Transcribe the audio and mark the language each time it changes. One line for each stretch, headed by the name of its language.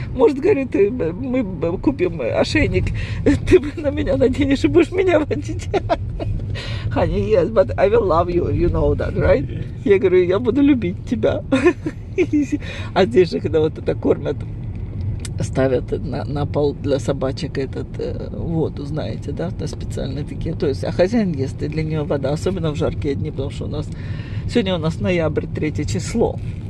Russian: Может, говорит, мы купим ошейник, ты на меня наденешь и будешь меня водить.
English: Honey, yes, but I will love you, you know that, right? Yes.
Russian: Я говорю, я буду любить тебя. А здесь же, когда вот это кормят, ставят на пол для собачек этот воду, знаете, да, на специальные такие. То есть, а хозяин ест, и для нее вода, особенно в жаркие дни, потому что у нас... Сегодня у нас ноябрь, 3 число.